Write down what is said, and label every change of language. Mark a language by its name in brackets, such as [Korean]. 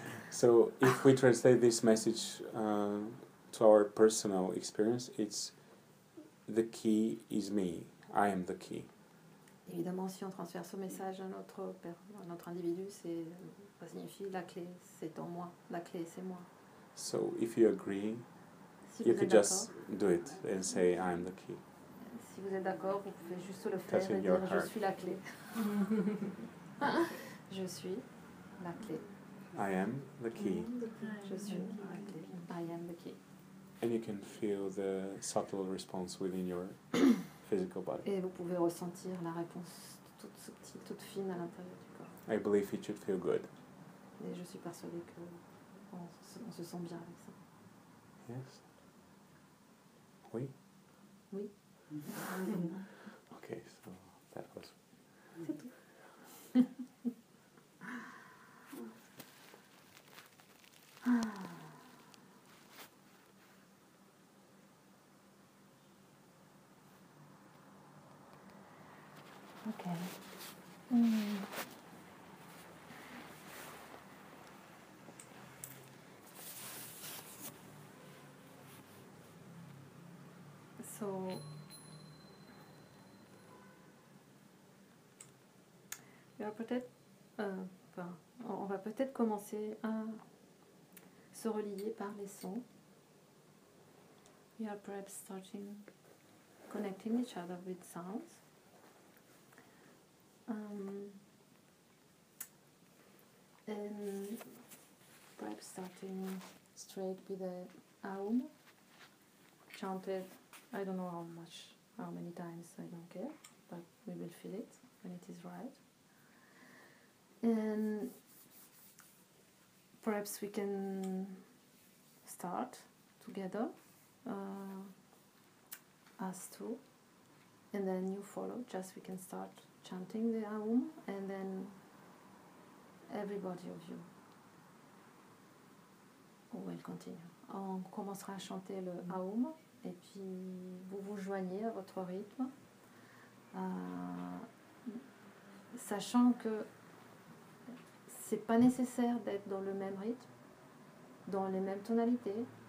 [English] So if we translate this message to our personal experience, it's the key is me. I am the key. [French] Évidemment, si on transfère ce message à notre individu, c'est ça signifie la clé, c'est en moi, la clé, c'est moi. [English] So if you agree, you could just do it and say, I am the key. [French] Si vous êtes d'accord, vous pouvez juste le faire et dire, je suis la clé. Je suis la clé. [English] I am the key. [French] Je suis la clé. [English] I am the key. And you can feel the subtle response within your physical body. [French] Et vous pouvez ressentir la réponse toute subtile, toute fine à l'intérieur du corps. [English] I believe it should feel good. [French] Et je suis persuadée que on se sent bien avec ça. [English] Yes. Oui. [French] Oui. [English] Okay, so that was. [French] C'est tout. Ah. [English] Okay. [French] So il va peut-être on va peut-être commencer à se relier par les sons. [English] We are perhaps starting connecting each other with sounds. And perhaps starting straight with the Aum, chanted, I don't know how many times, I don't care, but we will feel it when it is right. And perhaps we can start together, us two, and then you follow, just we can start chanting the Aum, and then everybody of you will continue. [French] On commencera à chanter le Aum, et puis vous vous joignez à votre rythme, sachant que c'est pas nécessaire d'être dans le même rythme, dans les mêmes tonalités.